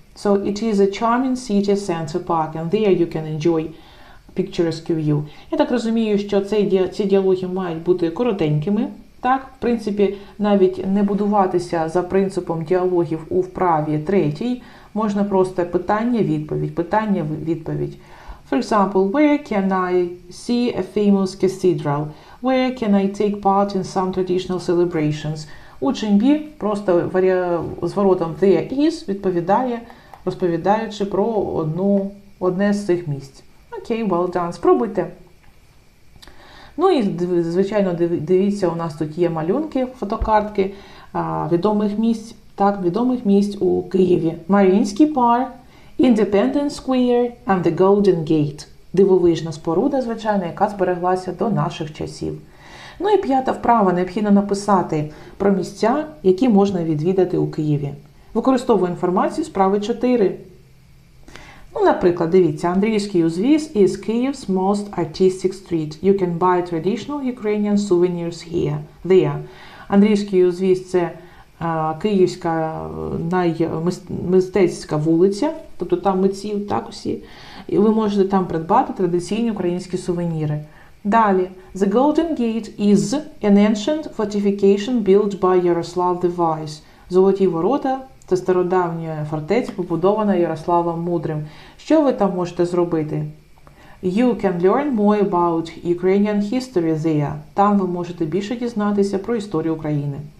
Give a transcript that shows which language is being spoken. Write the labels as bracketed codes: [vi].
[en] So it is a charming city center park, and there you can enjoy picturesque view. [uk] Я так розумію, що ці діалоги мають бути коротенькими, так? В принципі, навіть не будуватися за принципом діалогів у вправі третій, можна просто питання-відповідь, питання-відповідь. [en] For example, where can I see a famous cathedral? Where can I take part in some traditional celebrations? [uk] Учень B просто зворотом there is відповідає, розповідаючи про одне з цих місць. Окей, [en] well done, [uk] спробуйте. Ну і, звичайно, дивіться, у нас тут є малюнки, фотокартки відомих місць, так, відомих місць у Києві. [en] Маріїнський парк, Independence Square and the Golden Gate. [uk] Дивовижна споруда, звичайно, яка збереглася до наших часів. Ну і п'ята вправа, необхідно написати про місця, які можна відвідати у Києві. Використовую інформацію з вправи 4. Ну, наприклад, дивіться, [en] Андріївський узвіз is Kyiv's most artistic street. You can buy traditional Ukrainian souvenirs here. There. [uk] Андріївський узвіз – це київська мистецька вулиця, тобто там митці, так усі. І ви можете там придбати традиційні українські сувеніри. Далі. [en] The Golden Gate is an ancient fortification built by Yaroslav the Wise. [uk] Золоті ворота – це стародавня фортеця, побудована Ярославом Мудрим. Що ви там можете зробити? [en] You can learn more about Ukrainian history there. [uk] Там ви можете більше дізнатися про історію України.